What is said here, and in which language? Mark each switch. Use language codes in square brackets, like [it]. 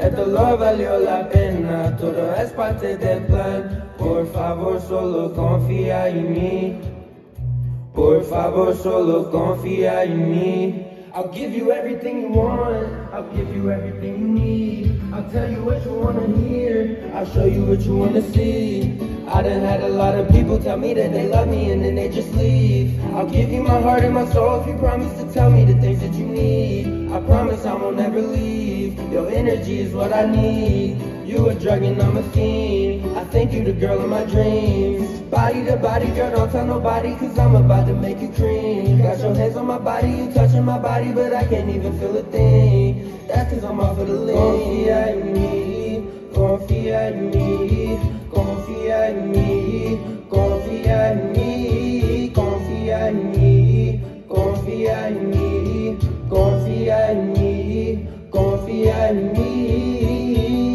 [es] El dolor valió la pena, todo es parte del plan. Por favor, solo confía en mí. Por favor, solo confía en mí. [en] I'll give you everything you want. I'll give you everything you need. I'll tell you what you wanna hear. I'll show you what you wanna see. I done had a lot of people tell me that they love me and then they just leave. I'll give you my heart and my soul if you promise to tell me the things that you need. I promise I won't ever leave. Your energy is what I need. You a drug and I'm a fiend. I think you the girl of my dreams. Body to body, girl, don't tell nobody, cause I'm about to make you cream. Got your hands on my body, you touching my body, but I can't even feel a thing. That's cause I'm off of the lean. [es] Confía en mí, confía en mí. Confía en mí, confía en mí. Confía en mí, confía en mí. Confía en mí, confía en mí.